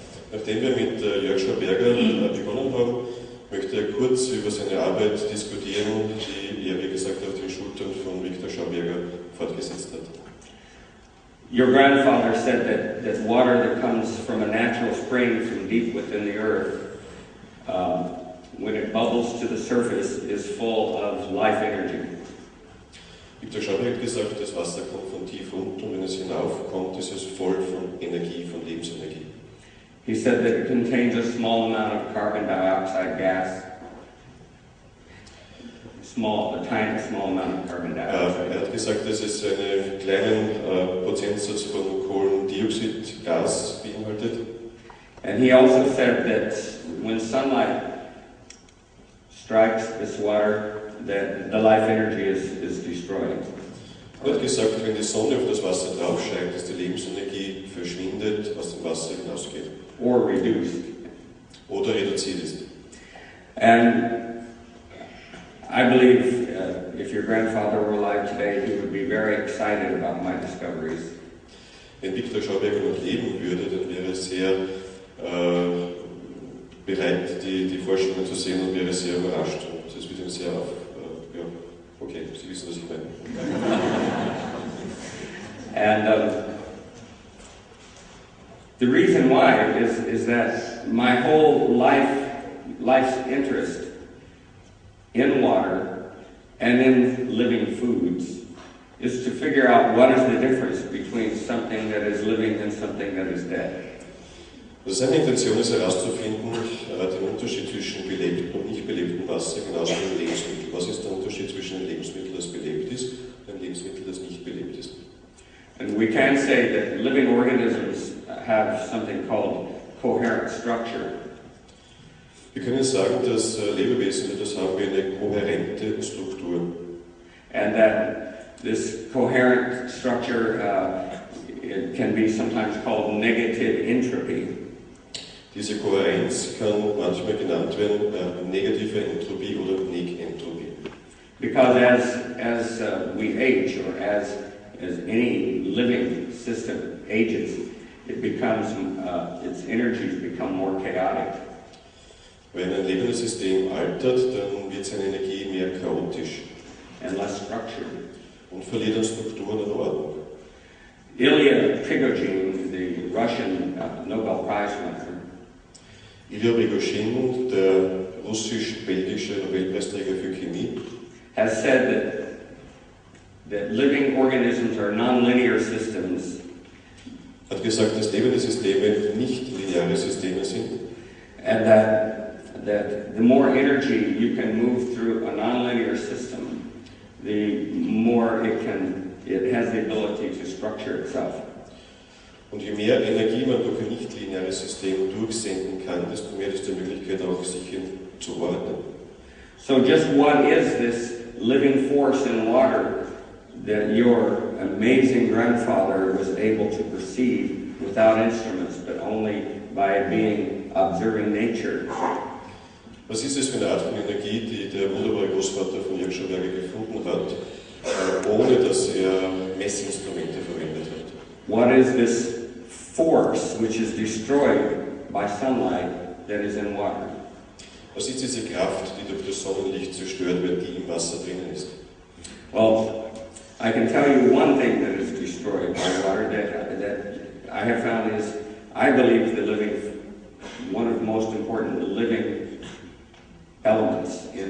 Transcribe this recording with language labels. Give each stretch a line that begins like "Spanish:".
German: Nachdem wir mit Jörg Schauberger begonnen haben, möchte ich kurz über seine Arbeit diskutieren, die er, wie gesagt, auf den Schultern von Victor Schauberger fortgesetzt hat.
English: Your grandfather said that water that comes from a natural spring from deep within the earth, when it bubbles to the surface, is full of life energy.
German: Victor Schauberger hat gesagt, das Wasser kommt von tief unten und wenn es hinaufkommt, ist es voll von Energie, von Lebensenergie.
English: He said that it contains a small amount of carbon dioxide gas. A small amount of carbon dioxide.
German: Er hat gesagt, dass es einen kleinen Prozentsatz von Kohlendioxidgas beinhaltet.
English: And he also said that when sunlight strikes this water, that the life energy is destroyed.
German: Er hat gesagt, wenn die Sonne auf das Wasser drauf scheint, dass die Lebensenergie verschwindet, aus dem Wasser hinausgeht.
English: Or reduced.
German: Oder reduziert ist.
English: And I believe if your grandfather were alive today, he would be very excited about my discoveries.
German: Wenn Viktor Schauberger noch leben würde, dann wäre er sehr bereit, die Forschungen zu sehen und wäre sehr überrascht. Und das würde ihn sehr auf. Okay, Sie wissen, was ich meine.
English: And the reason why is that my whole life's interest in water and in living foods is to figure out what is the difference between something that is living and something that is dead.
German: Seine Intention ist herauszufinden, den Unterschied zwischen belebtem und nicht belebtem Wasser, genauso wie Lebensmittel. Was ist der Unterschied zwischen einem Lebensmittel, das belebt ist, und einem Lebensmittel, das nicht belebt ist?
English: And we can say that living organisms have something called coherent structure.
German: Wir können sagen, dass Lebewesen etwas haben wie eine kohärente Struktur.
English: And that this coherent structure it can be sometimes called negative entropy.
German: Diese Kohärenz kann manchmal genannt werden negative Entropie oder Negentropie.
English: Because as we age, or as any living system ages, it becomes its energies become more chaotic.
German: Wenn ein lebendes System altert, dann wird seine Energie mehr chaotisch.
English: And less structured.
German: Und verliert an Strukturen und Ordnung.
English: Ilya Prigozhin, the Russian Nobel Prize winner.
German: Ilya Prigozhin, der russisch-belgische Nobelpreisträger für Chemie,
English: has said that living organisms are non-linear systems.
German: Hat gesagt, dass lebende Systeme nicht lineare Systeme sind.
English: And that the more energy you can move through a non-linear system, the more it has the ability to structure itself.
German: Und je mehr Energie man durch ein nicht-lineares System durchsenden kann, desto mehr ist die Möglichkeit, auch sich zu ordnen.
English: So just what is this living force in water that your amazing grandfather was able to perceive without instruments, but only by being observing nature?
German: Was ist das für eine Art von Energie, die der wunderbare Großvater von Jörg Schauberger gefunden hat, ohne dass Messinstrumente verwendet hat?
English: What is this force which is destroyed by sunlight that is in water?
German: Was ist diese Kraft, die durch das Sonnenlicht zerstört wird, die im Wasser drinnen ist?
English: Well, I can tell you one thing that is destroyed by water that I have found is, I believe, the living, one of the most important living elements